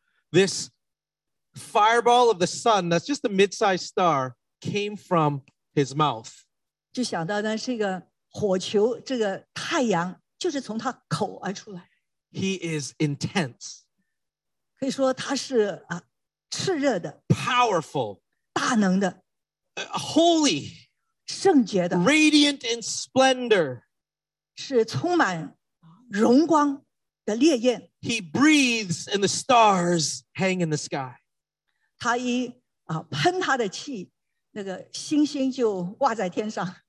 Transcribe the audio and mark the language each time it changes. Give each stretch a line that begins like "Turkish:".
English: This fireball of the sun, that's just a mid-sized star, came from his mouth.
Chinese: 就想到呢，这个火球，这个太阳就是从他口而出来。
English: He is intense.
Chinese: 可以说他是炽热的。
English: Powerful.
Chinese: 大能的。
English: Holy.
Chinese: 圣洁的。
English: Radiant in splendor.
Chinese: 是充满荣光。
English: He breathes and the stars hang in the sky.
Chinese: 他一喷他的气，那个星星就挂在天上。